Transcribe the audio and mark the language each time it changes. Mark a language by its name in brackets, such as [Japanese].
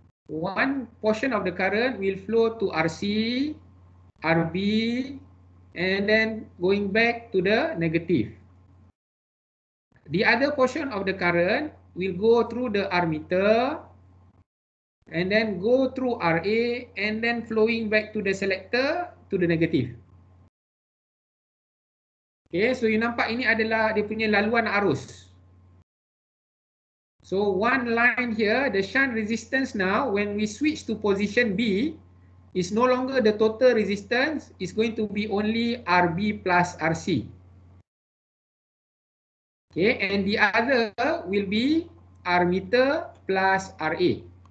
[English] One portion of the current will flow to RC, RB, and then going back to the negative. The other portion of the current will go through the ammeter and then go through RA and then flowing back to the selector to the negative. [Malay] Okay, so you nampak ini adalah dia punya laluan arus. [English] So one line here, the shunt resistance now when we switch to position B is no longer the total resistance, is going to be only RB plus RC. Okay, and the other will be ammeter plus RA.